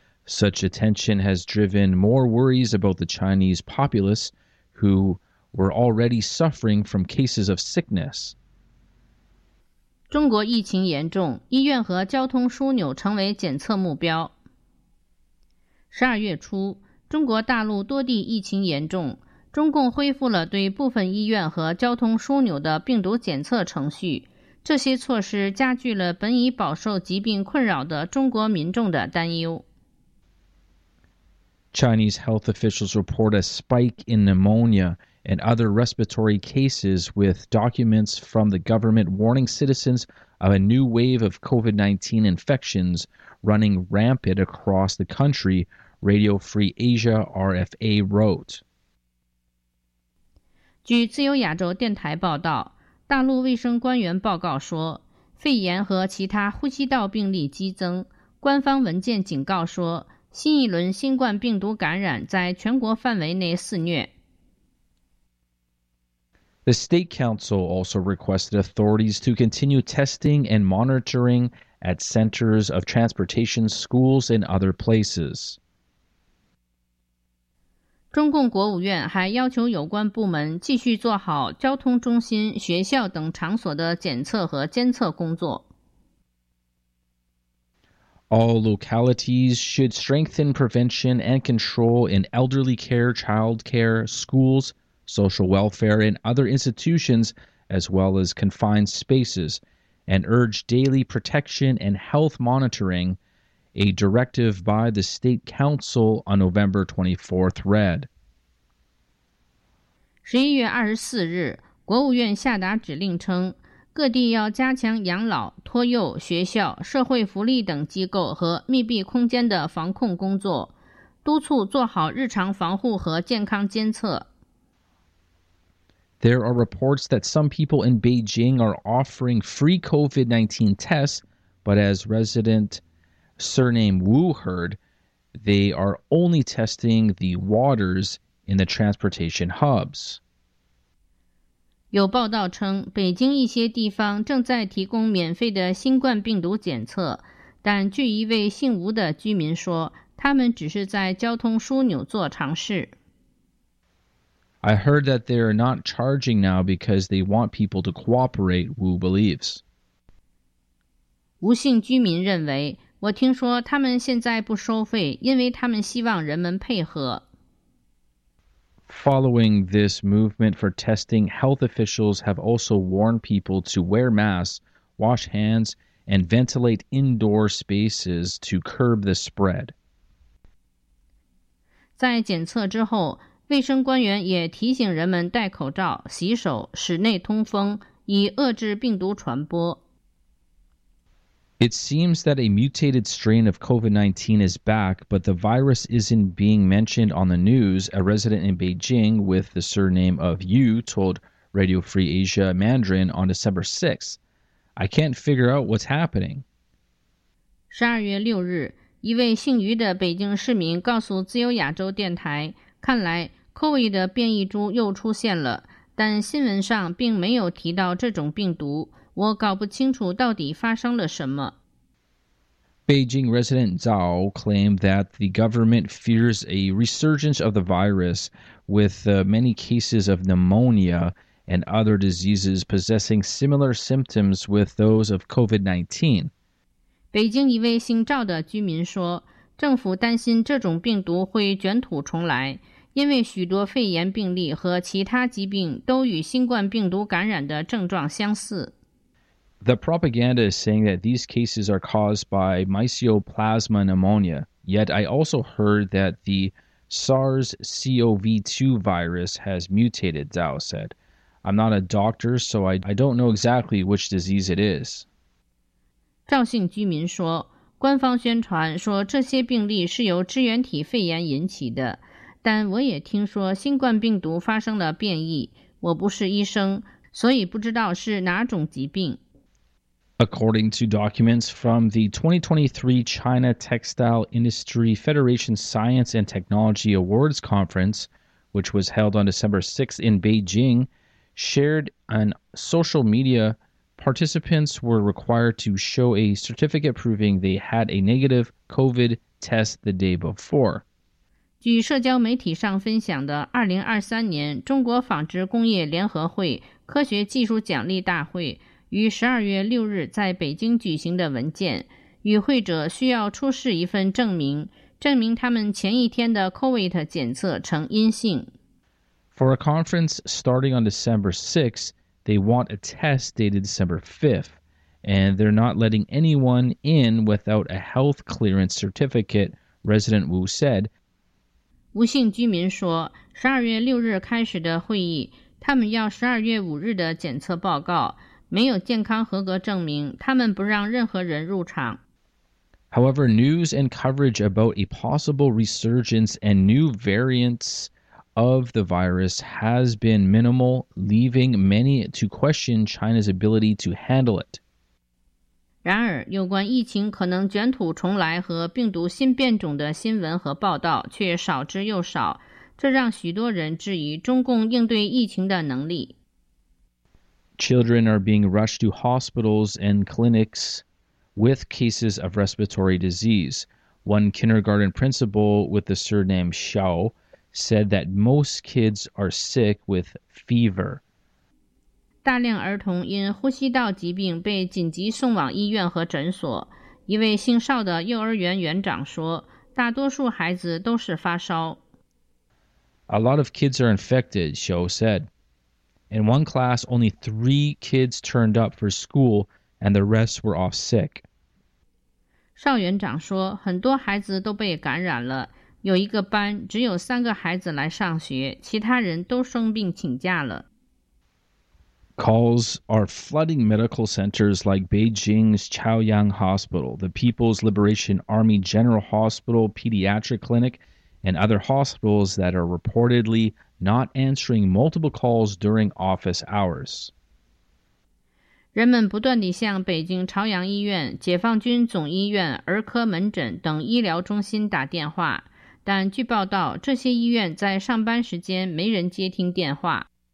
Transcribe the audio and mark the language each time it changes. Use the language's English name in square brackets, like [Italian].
[English] Such attention has driven more worries about the Chinese populace, who were already suffering from cases of sickness. [Chinese] 中国疫情严重，医院和交通枢纽成为检测目标。 12月初，中国大陆多地疫情严重，中共恢复了对部分医院和交通枢纽的病毒检测程序，这些措施加剧了本已饱受疾病困扰的中国民众的担忧。 [English] Chinese health officials report a spike in pneumonia and other respiratory cases, with documents from the government warning citizens of a new wave of COVID-19 infections running rampant across the country, Radio Free Asia RFA wrote. [Chinese] 据自由亚洲电台报道，大陆卫生官员报告说，肺炎和其他呼吸道病例激增，官方文件警告说，新一轮新冠病毒感染在全国范围内肆虐。 [English] The State Council also requested authorities to continue testing and monitoring at centers of transportation, schools, and other places. [Chinese] 中共国务院还要求有关部门继续做好交通中心、学校等场所的检测和监测工作。 [English] All localities should strengthen prevention and control in elderly care, child care, schools, social welfare, and other institutions, as well as confined spaces, and urge daily protection and health monitoring, a directive by the State Council on November 24th read. [Chinese] 11月24日，国务院下达指令称，各地要加强养老、托幼、学校、社会福利等机构和密闭空间的防控工作，督促做好日常防护和健康监测。 [English] There are reports that some people in Beijing are offering free COVID-19 tests, but as resident surname Wu heard, they are only testing the waters in the transportation hubs. [Chinese] 有报道称，北京一些地方正在提供免费的新冠病毒检测，但据一位姓吴的居民说，他们只是在交通枢纽做尝试。 [English] I heard that they are not charging now because they want people to cooperate, Wu believes. [Chinese] 吴姓居民认为，我听说他们现在不收费，因为他们希望人们配合。 [English] Following this movement for testing, health officials have also warned people to wear masks, wash hands, and ventilate indoor spaces to curb the spread. [Chinese] 在检测之后，卫生官员也提醒人们戴口罩、洗手、室内通风，以遏制病毒传播。 [English] It seems that a mutated strain of COVID-19 is back, but the virus isn't being mentioned on the news, a resident in Beijing with the surname of Yu told Radio Free Asia Mandarin on December 6. I can't figure out what's happening. [Chinese] 12月6日，一位姓余的北京市民告诉自由亚洲电台，看来 COVID 的变异株又出现了，但新闻上并没有提到这种病毒。我搞不清楚到底发生了什么。 [English] Beijing resident Zhao claimed that the government fears a resurgence of the virus, with many cases of pneumonia and other diseases possessing similar symptoms with those of COVID-19. [Chinese] 北京一位姓赵的居民说，政府担心这种病毒会卷土重来，因为许多肺炎病例和其他疾病都与新冠病毒感染的症状相似。 [English] The propaganda is saying that these cases are caused by Mycoplasma pneumonia. Yet I also heard that the SARS-CoV-2 virus has mutated, Zhao said. I'm not a doctor, so I don't know exactly which disease it is. [Chinese] 赵姓居民说，官方宣传说这些病例是由支原体肺炎引起的，但我也听说新冠病毒发生了变异。我不是医生，所以不知道是哪种疾病。 [English] According to documents from the 2023 China Textile Industry Federation Science and Technology Awards Conference, which was held on December 6th in Beijing, shared on social media, participants were required to show a certificate proving they had a negative COVID test the day before. [Chinese] 据社交媒体上分享的2023年中国纺织工业联合会科学技术奖励大会于12月6日在北京举行的文件，与会者需要出示一份证明，证明他们前一天的 COVID 检测呈阴性。 [English] For a conference starting on December 6th, they want a test dated December 5th, and they're not letting anyone in without a health clearance certificate, resident Wu said. [Chinese] 吴姓居民说 ,12 月6日开始的会议，他们要12月5日的检测报告，没有健康合格证明，他们不让任何人入场。 [English] However, news and coverage about a possible resurgence and new variants of the virus has been minimal, leaving many to question China's ability to handle it. [Chinese] 然而，有关疫情可能卷土重来和病毒新变种的新闻和报道却少之又少，这让许多人质疑中共应对疫情的能力。 [English] Children are being rushed to hospitals and clinics with cases of respiratory disease. One kindergarten principal with the surname Xiao said that most kids are sick with fever. [Chinese] 大量儿童因呼吸道疾病被紧急送往医院和诊所。一位姓邵的幼儿园园长说，大多数孩子都是发烧。 [English] A lot of kids are infected, Xiao said. In one class, only 3 kids turned up for school, and the rest were off sick. [Chinese] 邵园长说，很多孩子都被感染了。有一个班，只有三个孩子来上学，其他人都生病请假了。 [English] Calls are flooding medical centers like Beijing's Chaoyang Hospital, the People's Liberation Army General Hospital, Pediatric Clinic, and other hospitals that are reportedly... not answering multiple calls during office hours. [Chinese] 人们不断地向北京朝阳医院、解放军总医院、儿科门诊等医疗中心打电话，但据报道，这些医院在上班时间没人接听电话。